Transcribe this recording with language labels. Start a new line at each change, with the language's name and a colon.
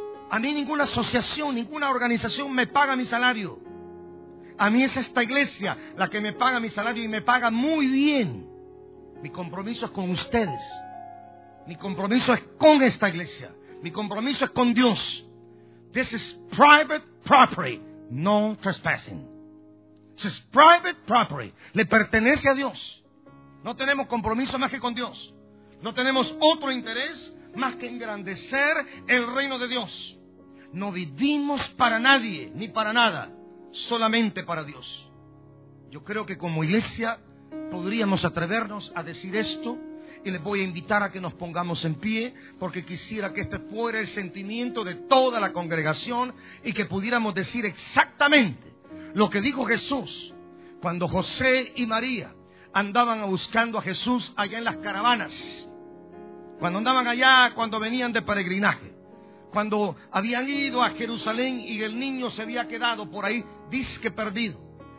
Spanish: A mí ninguna asociación, ninguna organización me paga mi salario. A mí es esta iglesia la que me paga mi salario y me paga muy bien. Mi compromiso es con ustedes. Mi compromiso es con esta iglesia. Mi compromiso es con Dios.
English: This is private property, no trespassing. This is private property.
Spanish: Le pertenece a Dios. No tenemos compromiso más que con Dios. No tenemos otro interés más que engrandecer el reino de Dios. No vivimos para nadie ni para nada. Solamente para Dios. Yo creo que como iglesia podríamos atrevernos a decir esto y les voy a invitar a que nos pongamos en pie, porque quisiera que este fuera el sentimiento de toda la congregación y que pudiéramos decir exactamente lo que dijo Jesús cuando José y María andaban buscando a Jesús allá en las caravanas, cuando andaban allá, cuando venían de peregrinaje, cuando habían ido a Jerusalén y el niño se había quedado por ahí disque perdido.